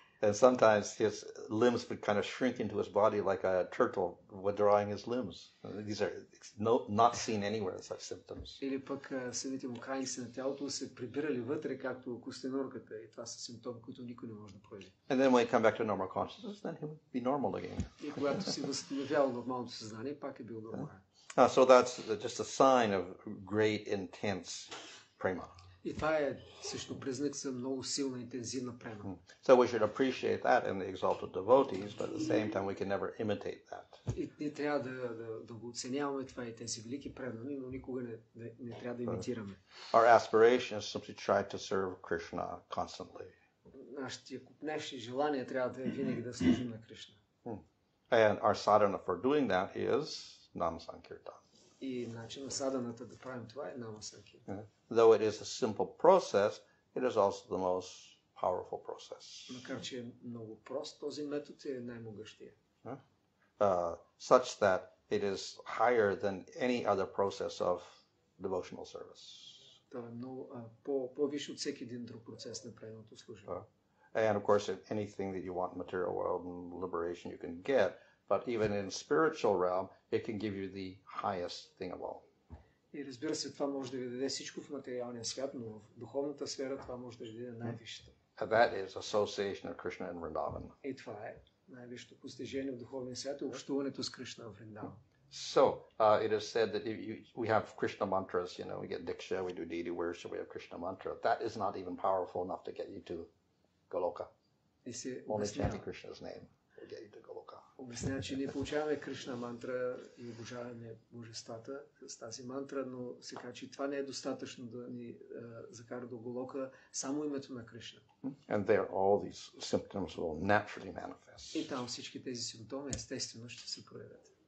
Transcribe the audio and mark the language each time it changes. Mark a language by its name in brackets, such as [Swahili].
[English] And sometimes his limbs would kind of shrink into his body like a turtle withdrawing his limbs. These are not seen anywhere, such symptoms. [Bulgarian] Или пък самите му крайници на тялото се прибирали вътре, както костенурката. И това са симптоми, които никой не може да прояви. [English] And then when he come back to normal consciousness, then he would be normal again. [Bulgarian] И когато си възстановявал нормалното съзнание, пак е бил нормален. [English] So that's just a sign of great intense prema. [Bulgarian] И това е също признак за много силна интензивна према. [English] So we should appreciate that in the exalted devotees, but at the same time we can never imitate that. [Bulgarian] И не трябва да го оценяваме това и тези велики премани, но никога не трябва да имитираме. [English] Our aspiration is simply try to serve Krishna constantly. [Bulgarian] Нашите купнешни желания трябва да е винаги да служим на Кришна. [English] And our sadhana for doing that is Nam Sankirtan. [Bulgarian] И начин на саданата да правим това е намасанки. [English] Though it is a simple process, it is also the most powerful process. [Bulgarian] Макар че е много прост, този метод е най-могъщия. [English] Such that it is higher than any other process of devotional service. [Bulgarian] Това е много по-виш от всеки един друг процес на правилното служение. [English] And of course, anything that you want in material world and liberation you can get, but even in spiritual realm, it can give you the highest thing of all. [Bulgarian] И разбира се, това може да ви даде всичко в материалния свят, но в духовната сфера това може да ви даде най-вишето. [English] That is association of Krishna and Vrindavan. [Bulgarian] И това е най-вишето постижение в духовния свят, общуването с Кришна в Вриндаван. [English] So, it is said that we have Krishna mantras, you know, we get Diksha, we do Deity worship, we have Krishna mantra. That is not even powerful enough to get you to Goloka. Only chanting Krishna's name will get you to Goloka. [Bulgarian] Обяснява, че ние получаваме Кришна мантра и обожаваме божествата с тази мантра, но се казва, че това не е достатъчно да ни закара до Голока само името на Кришна. [English] And there all these symptoms will naturally manifest. [Bulgarian] И там всички тези симптоми естествено ще се проявят.